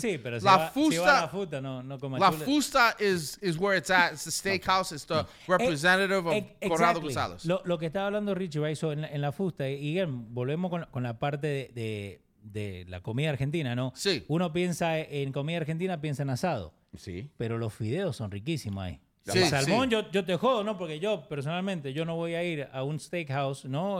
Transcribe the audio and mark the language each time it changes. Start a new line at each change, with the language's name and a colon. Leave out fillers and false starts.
Spanish: sí, pero si la fusta, si va la fusta, no como
English: la fusta is where it's at. It's the steakhouse. Okay. It's the representative of Corrado González.
Spanish: Lo que estaba hablando Richie, va eso en la fusta. Y bien, volvemos con la parte de la comida argentina, ¿no? Sí. Uno piensa en comida argentina, piensa en asado. Sí. Pero los fideos son riquísimos ahí. Sí, el salmón, sí. Yo te jodo, ¿no? Porque yo, personalmente, yo no voy a ir a un steakhouse, ¿no?